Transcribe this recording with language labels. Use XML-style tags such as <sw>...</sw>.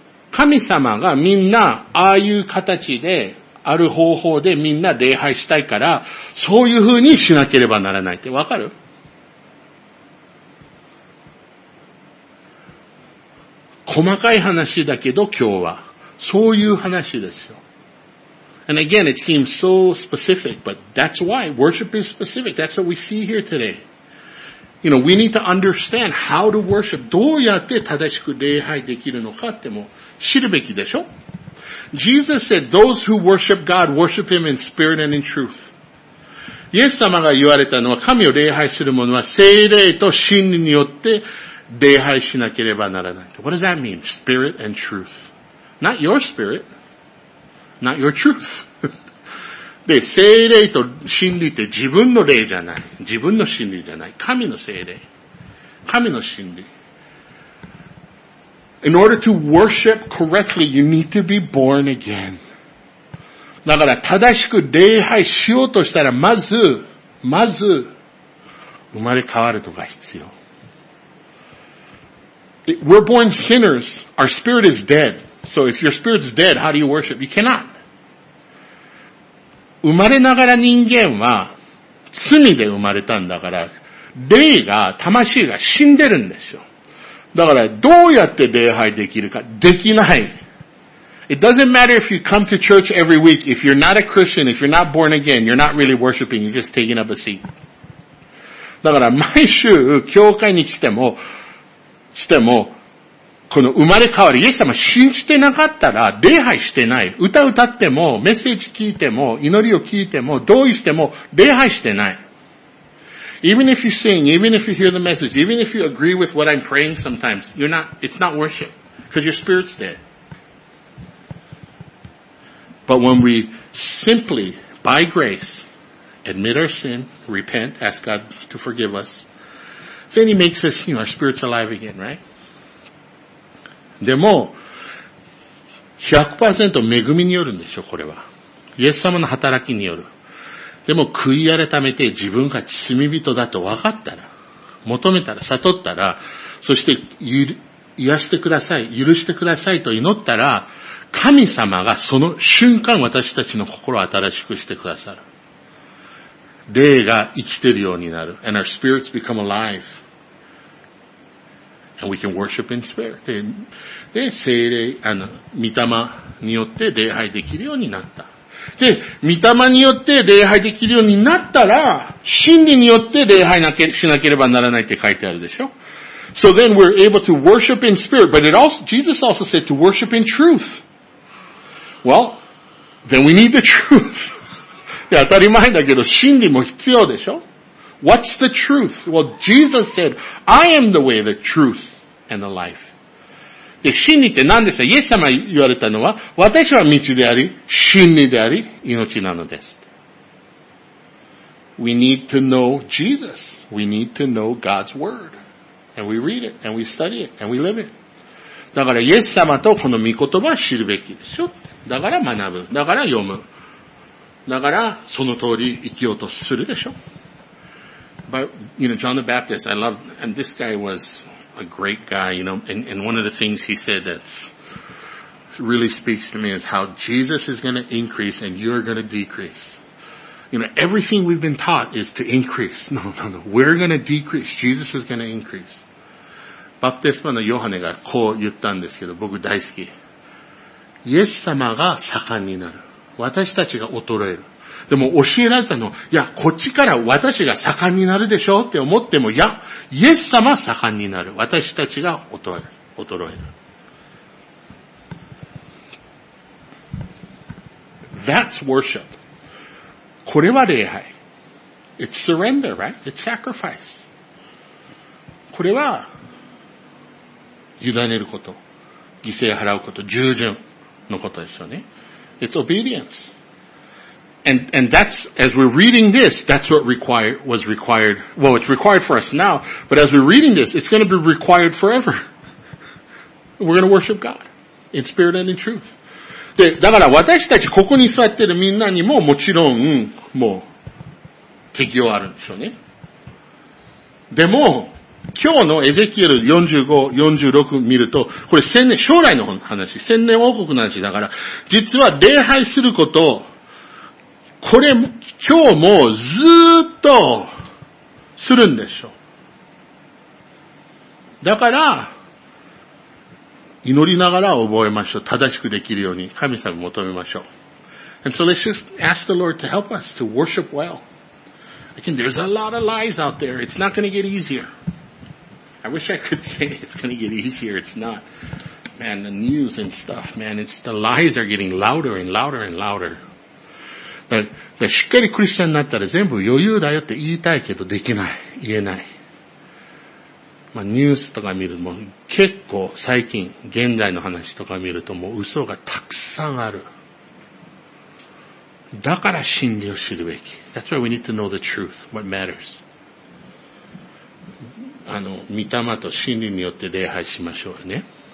<ja>神様がみんなああいう形で、ある方法でみんな礼拝したいから、そういう風にしなければならないってわかる？細かい話だけど今日は、そういう話ですよ。</ja> <en>And again, it seems so specific, but that's why worship is specific. That's what we see here today. You know, we need to understand how to worship.</en> <ja>どうやって正しく礼拝できるのかっても知るべきでしょ？</ja> <en>Jesus said, those who worship God, worship Him in spirit and in truth.</en> <ja>イエス様が言われたのは、神を礼拝する者は聖霊と真理によって礼拝しなければならない。</ja> <en>What does that mean? Spirit and truth. Not your spirit. Not your truth.</en> <ja>で、聖霊と真理って自分の霊じゃない。自分の真理じゃない。神の聖霊。神の真理。</ja> <en>In order to worship correctly, you need to be born again.</en> <ja>だから正しく礼拝しようとしたら、まず、生まれ変わるとか必要。</ja> <en>We're born sinners. Our spirit is dead. So if your spirit's dead, how do you worship? You cannot.</en> <ja>生まれながら人間は罪で生まれたんだから、霊が、魂が死んでるんですよ。だからどうやって礼拝できるか、できない。</ja> <en>It doesn't matter if you come to church every week. If you're not a Christian, if you're not born again, you're not really worshiping. You're just taking up a seat.</en> <ja>だから毎週教会に来ても、この生まれ変わり、イエス様信じてなかったら、礼拝してない。歌歌っても、メッセージ聞いても、祈りを聞いても、同意しても、礼拝してない。</ja> <en>Even if you sing, even if you hear the message, even if you agree with what I'm praying sometimes, you're not, it's not worship. Because your spirit's dead. But when we simply, by grace, admit our sin, repent, ask God to forgive us, then he makes us, you know, our spirit's alive again, right?</en> <ja>でも 100% 恵みによるんでしょ、これは。イエス様の働きによる。でも悔い改めて自分が罪人だと分かったら、求めたら、悟ったら、そして癒してください、許してくださいと祈ったら、神様がその瞬間私たちの心を新しくしてくださる。霊が生きているようになる。</ja> <en>And our spirits become aliveAnd we can worship in spirit.</en> <ja>で、聖霊、御霊によって礼拝できるようになった。で、御霊によって礼拝できるようになったら、真理によって礼拝しなければならないって書いてあるでしょ。</ja> <en>So then we're able to worship in spirit, but it also, Jesus also said to worship in truth. Well, then we need the truth.</en> <ja>で、当たり前だけど、真理も必要でしょ。</ja> <en>What's the truth? Well, Jesus said, I am the way, the truth, and the life.</en> <ja>で、真理って何ですか？イエス様言われたのは、私は道であり、真理であり、命なのです。</ja> <en>We need to know Jesus. We need to know God's word. And we read it, and we study it, and we live it.</en> <ja>だから、イエス様とこの御言葉を知るべきでしょ？だから学ぶ。だから読む。だから、その通り生きようとするでしょ？</ja> <en>But, you know, John the Baptist, I loved, and this guy was a great guy, you know, and one of the things he said that really speaks to me is how Jesus is going to increase and you're going to decrease. You know, everything we've been taught is to increase. No. We're going to decrease. Jesus is going to increase.</en> <ja>バプテスマのヨハネがこう言ったんですけど、僕大好き。イエス様が盛んになる。私たちが衰える。でも教えられたのは、いや、こっちから私が盛んになるでしょうって思っても、いや、イエス様盛んになる。私たちが衰える。</ja> <en>That's worship.</en> <ja>これは礼拝。</ja> <en>It's surrender, right? It's sacrifice.</en> <ja>これは、委ねること。犠牲払うこと。従順のことですよね。</ja> <en>It's obedience. And that's, as we're reading this, that's what was required. Well, it's required for us now, but as we're reading this, it's going to be required forever. We're going to worship God in spirit and in truth.</en> <ja>で、だから私たちここに座ってるみんなにも、もちろん、もう、適用あるんでしょうね。でも、今日のエゼキエル45、46見ると、これ千年、将来の話、千年王国の話だから、実は礼拝すること、これ、今日もずーっと、するんでしょう。だから、祈りながら覚えましょう。正しくできるように、神様求めましょう。</ja> <en>And so let's just ask the Lord to help us to worship well. Again, there's a lot of lies out there. It's not going to get easier. I wish I could say it's going to get easier. It's not. Man, the news and stuff, man, it's the lies are getting louder and louder and louder.</en> <ja>だしっかりクリスチャンになったら全部余裕だよって言いたいけどできない。言えない。まあ、ニュースとか見るも結構最近、現代の話とか見るともう嘘がたくさんある。だから真理を知るべき。</ja> <en>That's why we need to know the truth, what matters.</en> <ja>御霊と真理によって礼拝しましょうね。</ja>